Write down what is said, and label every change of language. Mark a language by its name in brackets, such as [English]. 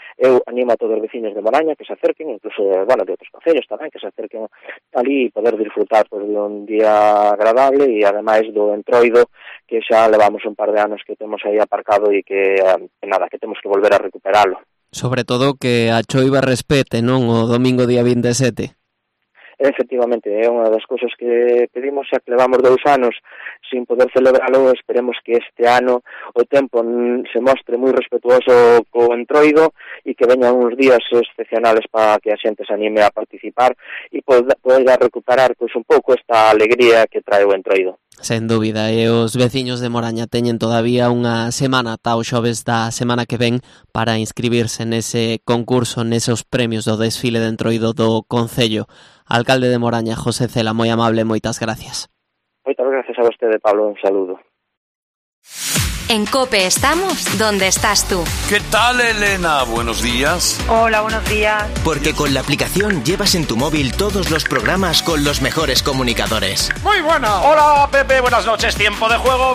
[Galician] Eu animo a [Spanish] todos los vecinos de Moraña que se acerquen, incluso bueno, de otros concellos también, que se acerquen allí y poder disfrutar pues, de un día agradable y además [Galician] do entroido que xa levamos [Spanish] un par de años que tenemos ahí aparcado y que nada, que tenemos que volver a recuperarlo. [Galician] Sobre todo que a choiva respete, non? O domingo día 27. Efectivamente, é unha das cousas que pedimos, xa que levamos 2 anos sin poder celebrarlo, esperemos que este ano o tempo se mostre moi respetuoso co entroido e que veñan uns días excepcionales para que a xente se anime a participar e poida recuperar pois, un pouco esta alegría que trae o entroido. Sen dúbida, e os veciños de Moraña teñen todavía unha semana ata o xoves da semana que ven para inscribirse nese concurso, neses premios do desfile de entroido do concello. Alcalde de Moraña, José Cela, moi amable, moitas gracias. Moitas gracias a vostede, Pablo, un saludo. [Spanish] En COPE estamos donde estás tú. ¿Qué tal, Elena? Buenos días. Hola, buenos días. Porque con la aplicación llevas en tu móvil todos los programas con los mejores comunicadores. ¡Muy buena! Hola, Pepe, buenas noches. Tiempo de juego.